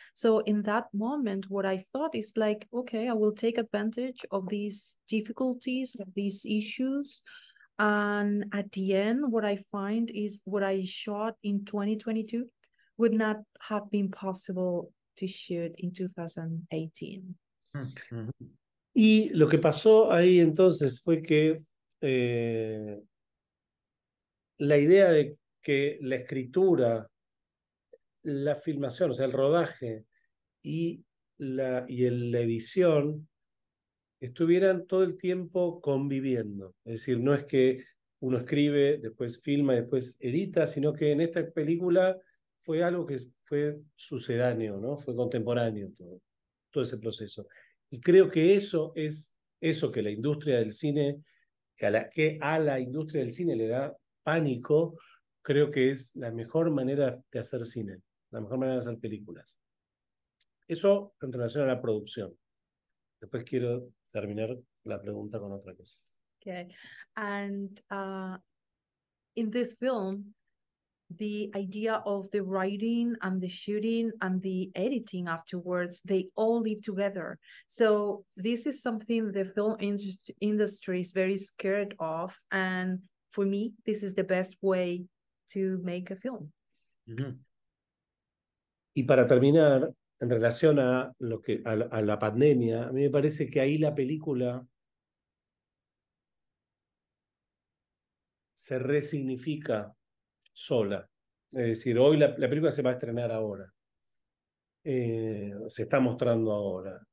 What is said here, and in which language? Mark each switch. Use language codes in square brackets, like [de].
[en] So in that moment, what I thought is like, okay, I will take advantage of these difficulties, of these issues. And at the end, what I find is what I shot in 2022 would not have been possible to shoot in 2018. [es] Y lo que pasó ahí entonces fue que la idea de que la escritura, la filmación, o sea, el rodaje y la edición estuvieran todo el tiempo conviviendo. Es decir, no es que uno escribe, después filma y después edita, sino que en esta película fue algo que fue sucedáneo, ¿no? Fue contemporáneo todo ese proceso. Y creo que eso es eso que la industria del cine, que a la industria del cine le da pánico, creo que es la mejor manera de hacer cine, la mejor manera de hacer películas. Eso en relación a la producción. Después quiero terminar la pregunta con otra cosa. [en] Okay. And in this film, the idea of the writing and the shooting and the editing afterwards, they all live together. So this is something the film industry is very scared of. And for me, this is the best way to make a film. [es] Mm-hmm. Y para terminar, en relación a la pandemia, a mí me parece que ahí la película se resignifica sola. Es decir, hoy la película se va a estrenar ahora. Se está mostrando ahora.